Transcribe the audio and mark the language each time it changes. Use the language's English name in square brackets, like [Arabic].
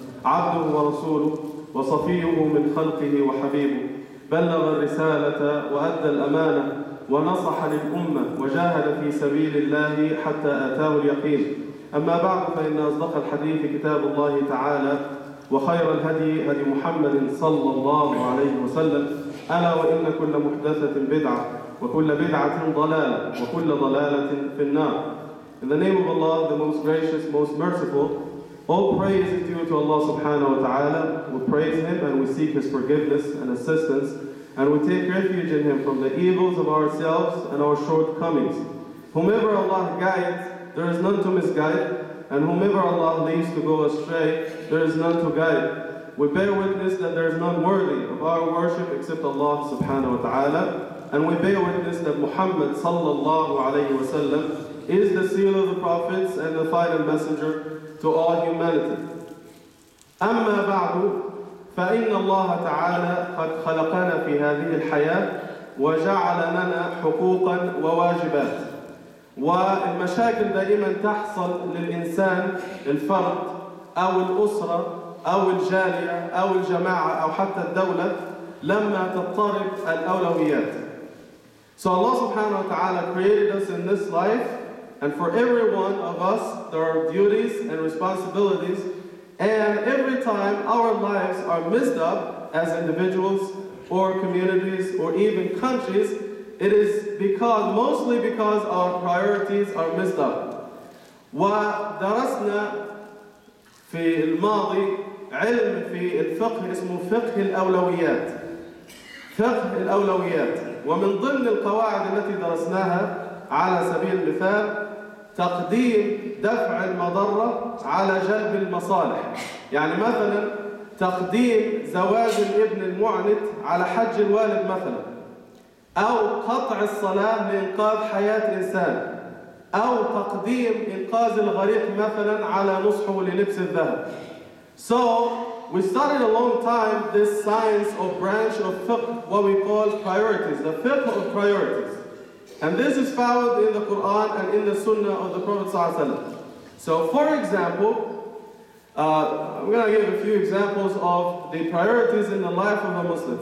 [Arabic] عبده ورسوله وصفيه من خلقه وحبيبه، بلغ الرسالة وأدى الأمانة ونصح للأمة وجاهد في سبيل الله حتى آتاه اليقين. أما بعد، فإن أصدق الحديث كتاب الله تعالى، وخير الهدي هدي محمد صلى الله عليه وسلم، ألا وإن كل محدثة بدعة وكل بدعة ضلالة وكل ضلالة في النار. [English] In the name of Allah, the most gracious, most merciful, all praise is due to Allah subhanahu wa ta'ala. We praise Him and we seek His forgiveness and assistance, and we take refuge in Him from the evils of ourselves and our shortcomings. Whomever Allah guides, there is none to misguide, and whomever Allah leaves to go astray, there is none to guide. We bear witness that there is none worthy of our worship except Allah subhanahu wa ta'ala, and we bear witness that Muhammad sallallahu alayhi wa sallam is the seal of the prophets and the final messenger to all humanity. [Arabic] أما بعد، فإن الله تعالى قد خلقنا في هذه الحياة وجعل لنا حقوقا وواجبات. والمشاكل دائما تحصل للإنسان الفرد أو الأسرة أو الجالية أو الجماعة أو حتى الدولة لما تضطرب الأولويات. [English] So Allah subhanahu wa ta'ala created us in this life, and for every one of us there are duties and responsibilities, and every time our lives are messed up as individuals or communities or even countries, it is because mostly because our priorities are messed up. [Arabic] ودرسنا في الماضي علم في الفقه اسمه فقه الأولويات. فقه الأولويات، ومن ضمن القواعد التي درسناها على سبيل المثال تقديم دفع المضرة على جلب المصالح. يعني مثلا تقديم زواج الابن المعنت على حج الوالد مثلا، أو قطع الصلاة لإنقاذ حياة إنسان، أو تقديم إنقاذ الغريق مثلا على نصحه للبس الذهب. [English] So we started a long time this science or branch of fiqh, what we call priorities, the fiqh of priorities. And this is found in the Quran and in the Sunnah of the Prophet sallallahu alaihi wasallam. So for example, I'm going to give a few examples of the priorities in the life of a Muslim.